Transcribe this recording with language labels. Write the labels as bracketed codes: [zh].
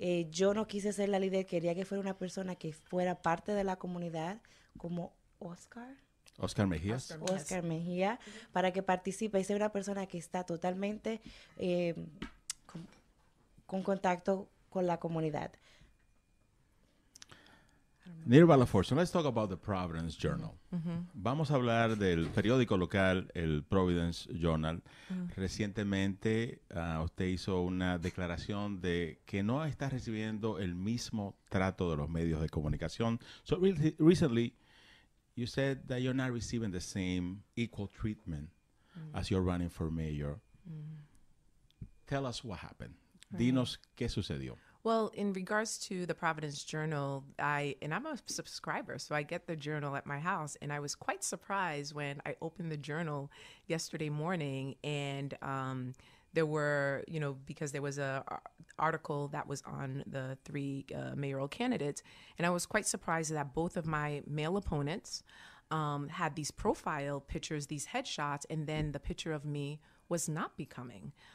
[es] Yo no quise ser la líder, quería que fuera una persona que fuera parte de la comunidad, como Oscar Mejía, para que participe y sea una persona que está totalmente con contacto con la comunidad. [en] Nirva Lafortune, let's talk about the Providence Journal. Mm-hmm. [es] Vamos a hablar del periódico local, el Providence Journal. Mm-hmm. Recientemente usted hizo una declaración de que no está recibiendo el mismo trato de los medios de comunicación. [en] So recently, you said that you're not receiving the same equal treatment as you're running for mayor. Tell us what happened. Right. [es] Dinos qué sucedió. [en] Well, in regards to the Providence Journal, I'm a subscriber, so I get the journal at my house, and I was quite surprised when I opened the journal yesterday morning, and there were, you know, because there was a article that was on the three mayoral candidates, and I was quite surprised that both of my male opponents had these profile pictures, these headshots, and then the picture of me was not becoming.